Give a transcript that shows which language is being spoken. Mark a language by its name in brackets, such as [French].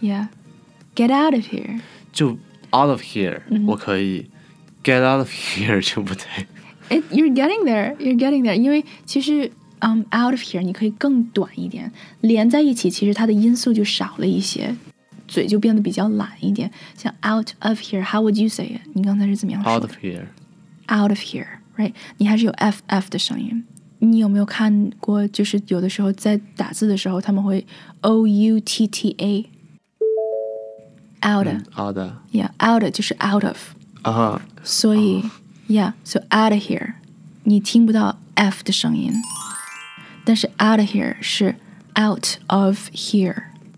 [English] Yeah. Get out of here. [Chinese] 就 [English] out of here, [Chinese] 我可以。 [English] Get out of here [Chinese] 就不对。 [English] You're getting there. You're getting there. [Chinese] 因为其实out of here 你可以更短一点。连在一起其实它的音素就少了一些。嘴就变得比较懒一点。像 [English] out of here, how would you say it? [Chinese] 你刚才是怎么样说的? [English] Out of here. Out of here, right? [Chinese] 你还是有 FF 的声音。你有没有看过就是有的时候在打字的时候他们会 O-U-T-T-A? [English] Out of, out of, yeah, out of [Chinese] 就是 [English] out of, 啊、uh-huh. ， [Chinese] 所以、 [English] uh-huh. ，yeah, so out of here, [Chinese] 你听不到 f 的声音，但是 [English] out of here 是 out of here,